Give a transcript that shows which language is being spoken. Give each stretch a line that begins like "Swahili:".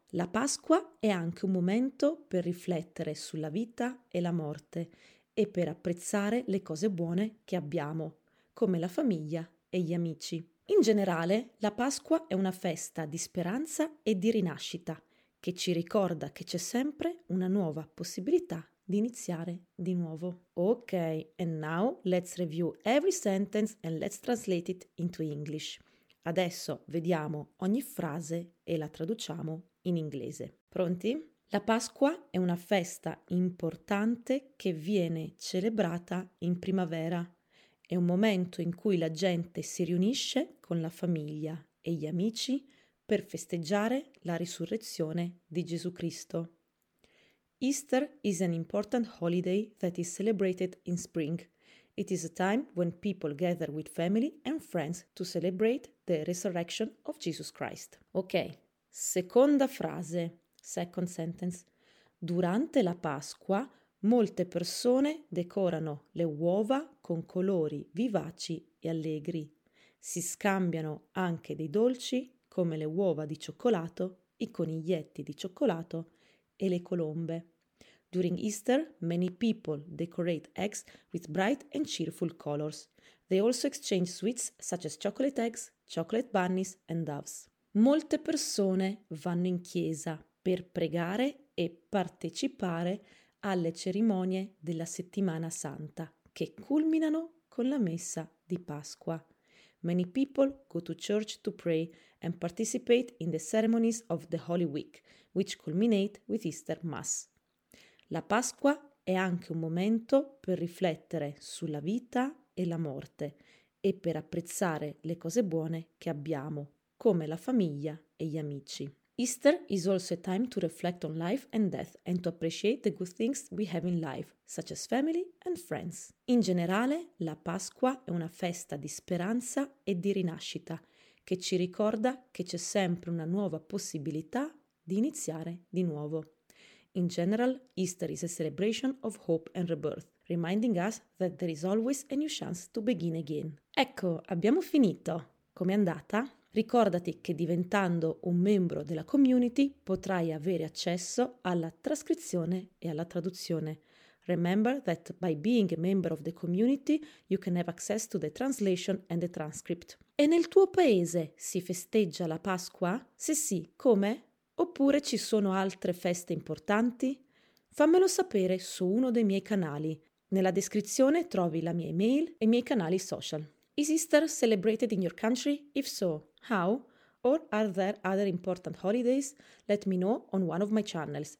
Italian: La Pasqua è anche un momento per riflettere sulla vita e la morte e per apprezzare le cose buone che abbiamo, come la famiglia e gli amici. In generale, la Pasqua è una festa di speranza e di rinascita, che ci ricorda che c'è sempre una nuova possibilità di iniziare di nuovo.
English: Ok, and now let's review every sentence and let's translate it into English.
Italian: Adesso vediamo ogni frase e la traduciamo in inglese. Pronti? La Pasqua è una festa importante che viene celebrata in primavera. È un momento in cui la gente si riunisce con la famiglia e gli amici per festeggiare la risurrezione di Gesù Cristo.
English: Easter is an important holiday that is celebrated in spring. It is a time when people gather with family and friends to celebrate the resurrection of Jesus Christ.
Italian: Ok, seconda frase,
English: second sentence.
Italian: Durante la Pasqua, molte persone decorano le uova con colori vivaci e allegri. Si scambiano anche dei dolci come le uova di cioccolato, i coniglietti di cioccolato e le colombe.
English: During Easter, many people decorate eggs with bright and cheerful colors. They also exchange sweets such as chocolate eggs, chocolate bunnies and doves.
Italian: Molte persone vanno in chiesa per pregare e partecipare alle cerimonie della Settimana Santa, che culminano con la messa di Pasqua.
English: Many people go to church to pray and participate in the ceremonies of the Holy Week, which culminate with Easter Mass.
Italian: La Pasqua è anche un momento per riflettere sulla vita e la morte e per apprezzare le cose buone che abbiamo, come la famiglia e gli amici.
English: Easter is also a time to reflect on life and death and to appreciate the good things we have in life, such as family and friends.
Italian: In generale, la Pasqua è una festa di speranza e di rinascita, che ci ricorda che c'è sempre una nuova possibilità di iniziare di nuovo.
English: In general, Easter is a celebration of hope and rebirth, reminding us that there is always a new chance to begin again.
Italian: Ecco, abbiamo finito. Com'è andata? Ricordati che diventando un membro della community potrai avere accesso alla trascrizione e alla traduzione.
English: Remember that by being a member of the community, you can have access to the translation and the transcript.
Italian: E nel tuo paese si festeggia la Pasqua? Se sì, come? Oppure ci sono altre feste importanti? Fammelo sapere su uno dei miei canali. Nella descrizione trovi la mia email e i miei canali social.
English: Is Easter celebrated in your country? If so, how? Or are there other important holidays? Let me know on one of my channels.